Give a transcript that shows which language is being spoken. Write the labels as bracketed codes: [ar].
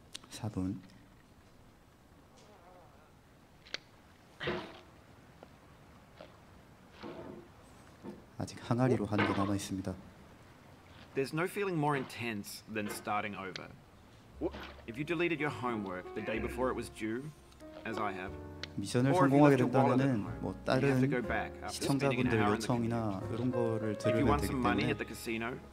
[ko] 4분. 아직 항아리로 하는 게 남아 있습니다. [en] There's no feeling more intense than starting over. If you deleted your homework the day before it was due, as I have. [ko] 미션을 성공하게 된다면은 뭐 다른 시청자분들 요청이나 이런 거를 들어야 되기 때문에